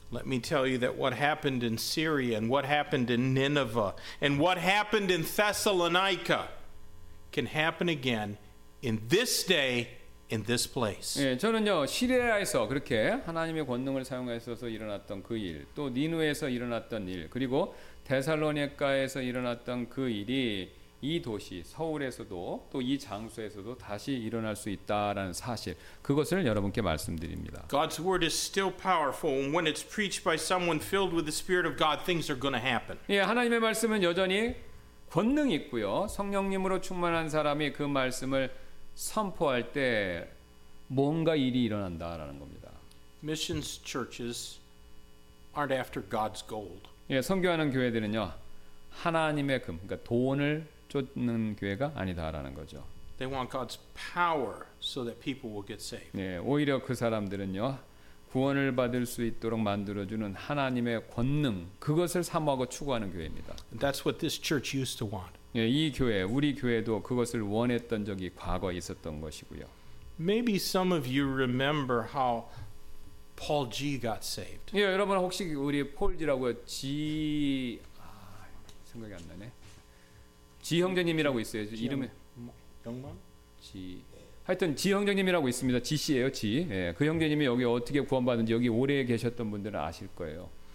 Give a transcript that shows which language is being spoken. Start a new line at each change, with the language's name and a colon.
English: Let me tell you that what happened in Syria and what happened in Nineveh and what happened in Thessalonica can happen again in this day. In this place.
Korean: 예, 저는요 시리아에서 그렇게 하나님의 권능을 사용해서 일어났던 그 일, 또 니느웨에서 일어났던 일, 그리고 데살로니가에서 일어났던 그 일이 이 도시 서울에서도 또 이 장소에서도 다시 일어날 수 있다라는 사실, 그것을 여러분께 말씀드립니다.
English: God's word is still powerful, and when it's preached by someone filled with the Spirit of God, things are going to happen.
Korean: 예, 하나님의 말씀은 여전히 권능 있고요, 성령님으로 충만한 사람이 그 말씀을 선포할 때 뭔가 일이 일어난다라는 겁니다.
English: Missions churches aren't after God's gold.
Korean: 예, 선교하는 교회들은요 하나님의 금, 그러니까 돈을 쫓는 교회가 아니다라는 거죠.
English: They want God's power so that people will get saved.
Korean: 예, 오히려 그 사람들은요 구원을 받을 수 있도록 만들어주는 하나님의 권능, 그것을 사모하고 추구하는 교회입니다.
English: That's what this church used to want.
Korean: 예, 이 교회, 우리 교회도 그것을 원했던 적이 과거에 있었던 것이고요.
English: Maybe some of you remember how Paul G got saved.
Korean: 예, 여러분 혹시 우리 폴 G라고 G 생각이 안 나네. G 형제님이라고 있어요. 이름이 영광? G 하여튼 G 형제님이라고 있습니다. G 씨예요, G. 예, 그 형제님이 여기 어떻게 구원받은지 여기 오래 계셨던 분들은 아실 거예요.